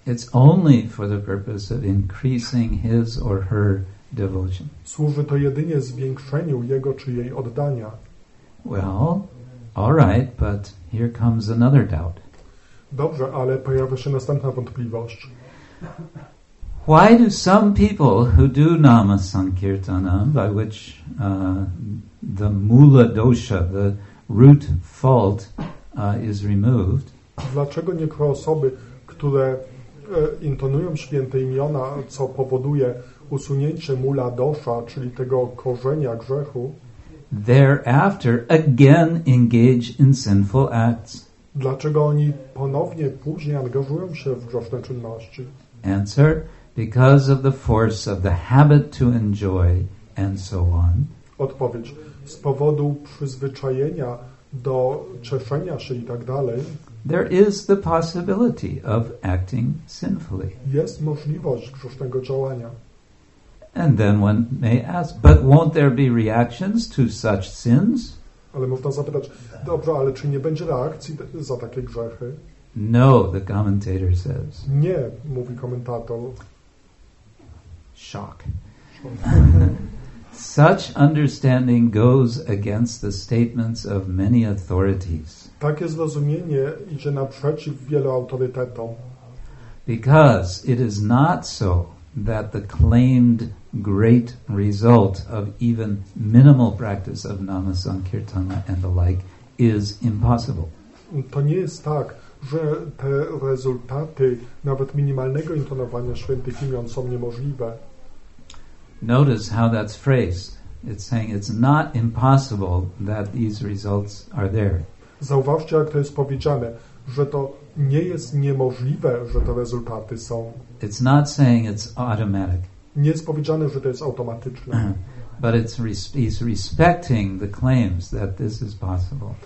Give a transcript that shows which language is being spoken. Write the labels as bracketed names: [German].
[English] It's only for the purpose of increasing his or her devotion. [Polish] Służy to jedynie zwiększeniu jego czy jej oddania. [English] Well, all right, but here comes another doubt. [Polish] Dobrze, ale pojawia się następna wątpliwość. [English] Why do some people who do nama sankirtana, by which the mula dosha, the root fault, is removed? [Polish] Dlaczego niektóre osoby, które intonują święte imiona, co powoduje usunięcie mula dosha, czyli tego korzenia grzechu, [English] thereafter again engage in sinful acts? [Polish] Dlaczego oni ponownie później angażują się w grzeszne czynności? [English] Answer: because of the force of the habit to enjoy, and so on. [Polish] Odpowiedź: z powodu przyzwyczajenia do cieszenia się i tak dalej. [English] There is the possibility of acting sinfully. [Polish] Jest możliwość grzesznego działania. [English] And then one may ask, but won't there be reactions to such sins? [Polish] Ale można zapytać, dobrze, ale czy nie będzie reakcji za takie grzechy? [English] No, the commentator says. [Polish] Nie, mówi komentator. [English] Shock. Such understanding goes against the statements of many authorities. [Polish] Takie zrozumienie idzie naprzeciw wielu autorytetom. [English] Because it is not so that the claimed great result of even minimal practice of nama sankirtana and the like is impossible. [Polish] To nie jest tak, że te rezultaty nawet minimalnego intonowania świętych imion są niemożliwe. [English] Notice how that's phrased. It's saying it's not impossible that these results are there. [Polish] Zauważcie, jak to jest powiedziane, że to nie jest niemożliwe, że te rezultaty są. [English] It's not saying it's automatic. [Polish] Nie jest powiedziane, że to jest automatyczne. [English] But he's respecting the claims that this is possible.